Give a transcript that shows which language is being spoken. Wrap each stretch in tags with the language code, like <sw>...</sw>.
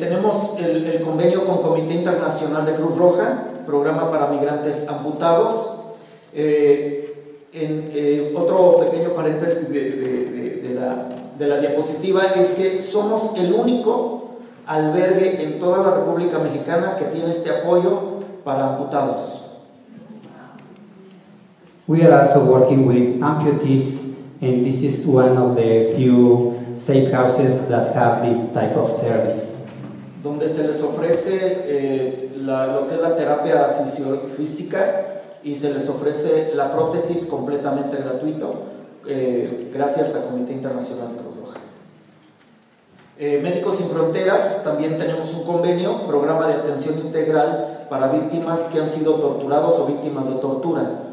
<es>Tenemos el convenio con Comité Internacional de Cruz Roja, programa para migrantes amputados. Otro pequeño paréntesis de la diapositiva es que somos el único albergue en toda la República Mexicana que tiene este apoyo para amputados.</es> <en>We are also working with amputees, and this is one of the few safe houses that have this type of service.</en> <es>Donde se les ofrece lo que es la terapia física y se les ofrece la prótesis completamente gratuito, gracias al Comité Internacional de Cruz Roja. Médicos Sin Fronteras, también tenemos un convenio, programa de atención integral para víctimas que han sido torturados o víctimas de tortura.</es>